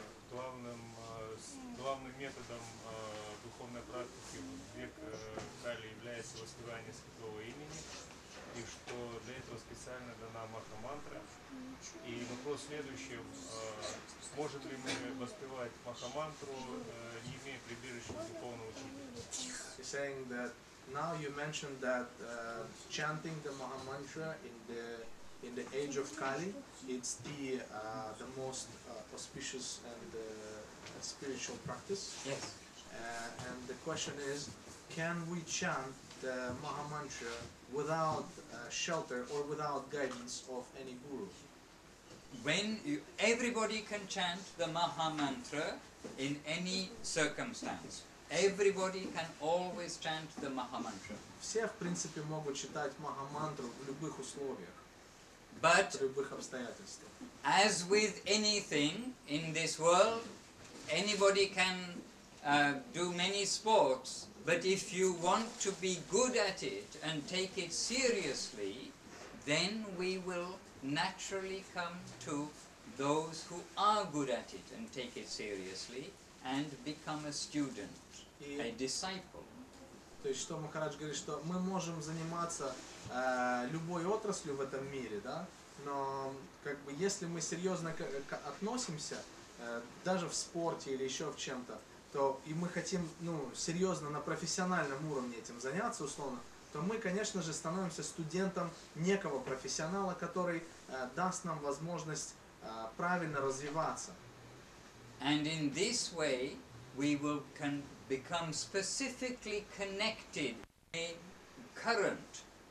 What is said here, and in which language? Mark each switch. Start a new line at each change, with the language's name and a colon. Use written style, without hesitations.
Russian: главным методом духовной практики в век Кали является воспевание святого имени, и что для этого специально дана Махамантра. И вопрос следующий, можем ли мы воспевать Махамантру, не имея прибежища духовного учителя?
English: Now you mentioned that chanting the Mahamantra in the age of Kali, it's the most auspicious and spiritual practice. Yes. And the question is, can we chant the Mahamantra without shelter or without guidance of any guru? Everybody can chant the Mahamantra in any circumstance. Everybody can always chant the Mahamantra.
Russian: Все, в принципе, могут читать Махамантру в любых условиях,
English: but,
Russian: в любых обстоятельствах.
English: As with anything in this world, anybody can do many sports, but if you want to be good at it and take it seriously, then we will naturally come to those who are good at it and take it seriously and become a student. A disciple.
Russian: То есть, что Махарадж говорит, что мы можем заниматься любой отраслью в этом мире, да, но как бы если мы серьезно относимся, даже в спорте или еще в чем-то, то и мы хотим, ну, серьезно на профессиональном уровне этим заняться, условно, то мы, конечно же, становимся студентом некого профессионала, который даст нам возможность правильно развиваться.
English: And in this way we will become specifically connected in current.